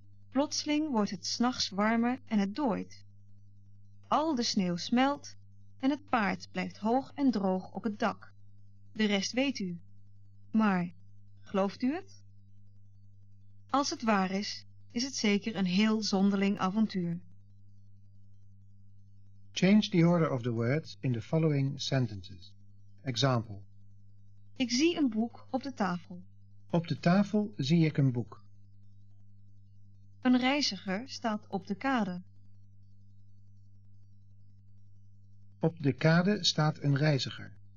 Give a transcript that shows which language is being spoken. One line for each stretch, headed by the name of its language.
Dutch: Plotseling wordt het 's nachts warmer en het dooit. Al de sneeuw smelt en het paard blijft hoog en droog op het dak. De rest weet u. Maar gelooft u het? Als het waar is, is het zeker een heel zonderling avontuur.
English: Change the order of the words in the following sentences. Example.
Dutch: Ik zie een boek op de tafel. Op de tafel zie ik een boek. Een reiziger staat op de kade. Op de kade staat een reiziger.